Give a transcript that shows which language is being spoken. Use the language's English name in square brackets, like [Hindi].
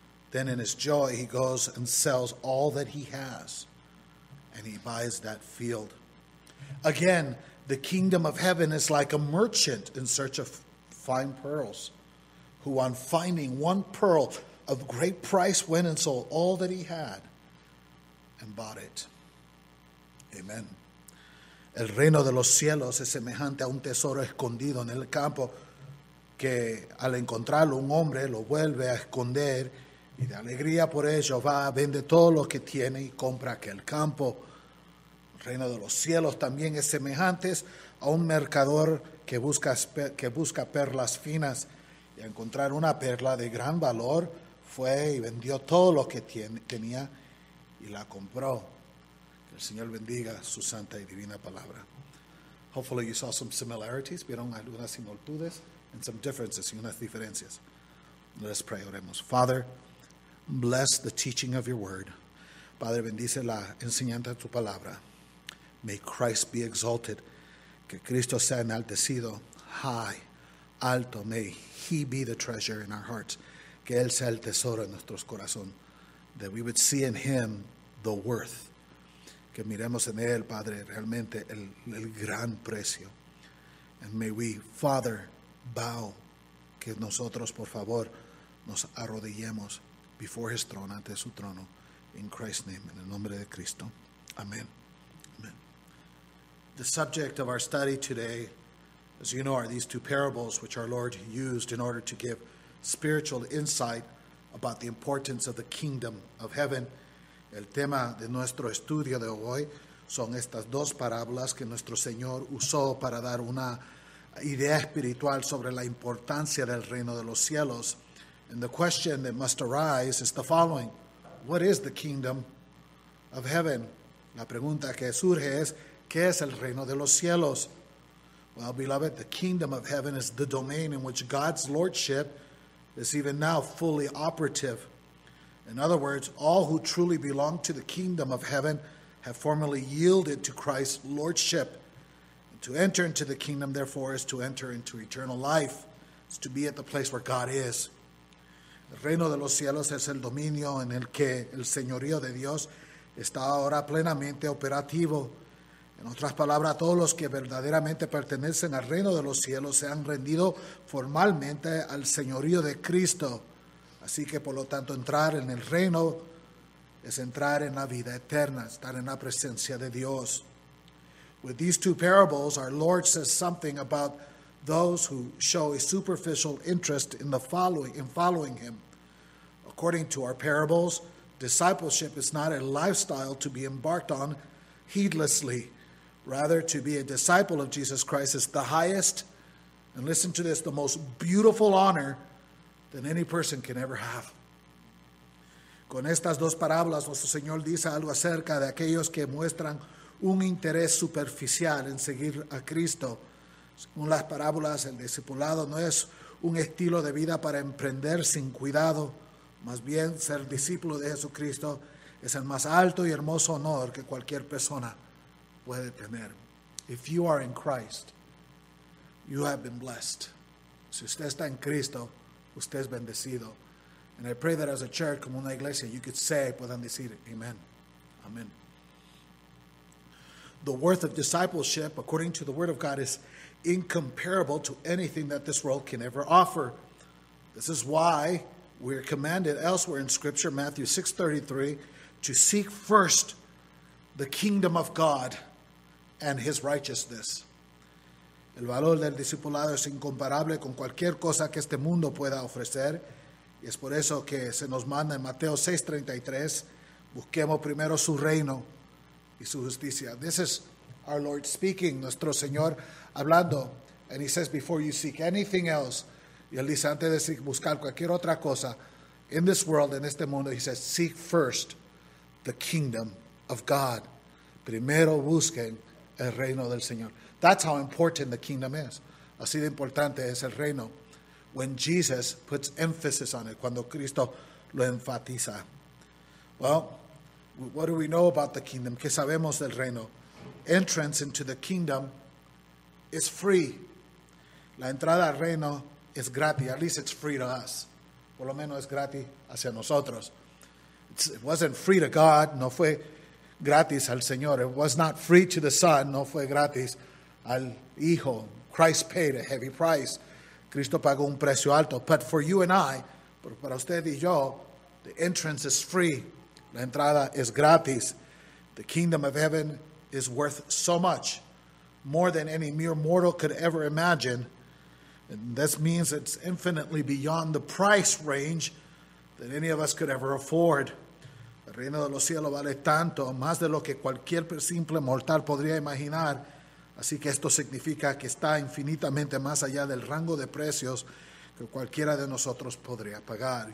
[English] Then in his joy, he goes and sells all that he has, and he buys that field. Again, the kingdom of heaven is like a merchant in search of fine pearls, who on finding one pearl of great price went and sold all that he had and bought it. Amen. [Spanish] El reino de los cielos es semejante a un tesoro escondido en el campo que al encontrarlo un hombre lo vuelve a esconder y de alegría por ello va, vende todo lo que tiene y compra aquel campo. El reino de los cielos también es semejante a un mercador que busca perlas finas y al encontrar una perla de gran valor fue y vendió todo lo que tenía y la compró. El Señor bendiga su santa y divina palabra. [English] Hopefully you saw some similarities. [Spanish] Vieron algunas similitudes [English] and some differences, [Spanish] y unas diferencias. [English] Let's pray, [Spanish] oremos. [English] Father, bless the teaching of your word. [Spanish] Padre, bendice la enseñanza de tu palabra. [English] May Christ be exalted. [Spanish] Que Cristo sea enaltecido, [English] high, [Spanish] alto. [English] May he be the treasure in our hearts. [Spanish] Que él sea el tesoro en nuestros corazones. [English] That we would see in him the worth. [Spanish] Que miremos en él, Padre, realmente el gran precio. [English] And may we, Father, bow, [Spanish] que nosotros, por favor, nos arrodillemos [English] before his throne, [Spanish] ante su trono, [English] in Christ's name, [Spanish] en el nombre de Cristo. Amen. Amen. [English] The subject of our study today, as you know, are these two parables which our Lord used in order to give spiritual insight about the importance of the kingdom of heaven. [Spanish] El tema de nuestro estudio de hoy son estas dos parábolas que nuestro Señor usó para dar una idea espiritual sobre la importancia del reino de los cielos. [English] And the question that must arise is the following. What is the kingdom of heaven? [Spanish] La pregunta que surge es, ¿qué es el reino de los cielos? [English] Well, beloved, the kingdom of heaven is the domain in which God's lordship is even now fully operative. In other words, all who truly belong to the kingdom of heaven have formally yielded to Christ's lordship. And to enter into the kingdom, therefore, is to enter into eternal life. It's to be at the place where God is. [Spanish] El reino de los cielos es el dominio en el que el señorío de Dios está ahora plenamente operativo. En otras palabras, todos los que verdaderamente pertenecen al reino de los cielos se han rendido formalmente al señorío de Cristo. Así que, por lo tanto, entrar en el reino es entrar en la vida eterna, estar en la presencia de Dios. [English] With these two parables, our Lord says something about those who show a superficial interest in following him. According to our parables, discipleship is not a lifestyle to be embarked on heedlessly. Rather, to be a disciple of Jesus Christ is the highest, and listen to this, the most beautiful honor than any person can ever have. [Spanish] Con estas dos parábolas, nuestro Señor dice algo acerca de aquellos que muestran un interés superficial en seguir a Cristo. Según las parábolas, el discipulado no es un estilo de vida para emprender sin cuidado. Más bien, ser discípulo de Jesucristo es el más alto y hermoso honor que cualquier persona puede tener. [English] If you are in Christ, you have been blessed. [Spanish] Si usted está en Cristo, usted es bendecido. [English] And I pray that as a church, [Spanish] como una iglesia, [English] you could say, [Spanish] puedan decir, [English] amen. Amen. The worth of discipleship, according to the word of God, is incomparable to anything that this world can ever offer. This is why we are commanded elsewhere in Scripture, Matthew 6:33, to seek first the kingdom of God and his righteousness. [Spanish] El valor del discipulado es incomparable con cualquier cosa que este mundo pueda ofrecer. Y es por eso que se nos manda en Mateo 6:33, busquemos primero su reino y su justicia. [English] This is our Lord speaking, [Spanish] nuestro Señor hablando. [English] And he says, before you seek anything else, [Spanish] y él dice, antes de buscar cualquier otra cosa, [English] in this world, [Spanish] en este mundo, [English] he says, seek first the kingdom of God. [Spanish] Primero busquen el reino del Señor. [English] That's how important the kingdom is. [Spanish] Así de importante es el reino. [English] When Jesus puts emphasis on it, [Spanish] cuando Cristo lo enfatiza. [English] Well, what do we know about the kingdom? [Spanish] ¿Qué sabemos del reino? [English] Entrance into the kingdom is free. [Spanish] La entrada al reino es gratis. [English] At least it's free to us. [Spanish] Por lo menos es gratis hacia nosotros. [English] It wasn't free to God. [Spanish] No fue gratis al Señor. [English] It was not free to the Son. [Spanish] No fue gratis al Hijo. [English] Christ paid a heavy price. [Spanish] Cristo pagó un precio alto. [English] But for you and I, [Spanish] para usted y yo, [English] the entrance is free. [Spanish] La entrada es gratis. [English] The kingdom of heaven is worth so much, more than any mere mortal could ever imagine. And this means it's infinitely beyond the price range that any of us could ever afford. [Spanish] El reino de los cielos vale tanto, más de lo que cualquier simple mortal podría imaginar. Así que esto significa que está infinitamente más allá del rango de precios que cualquiera de nosotros podría pagar.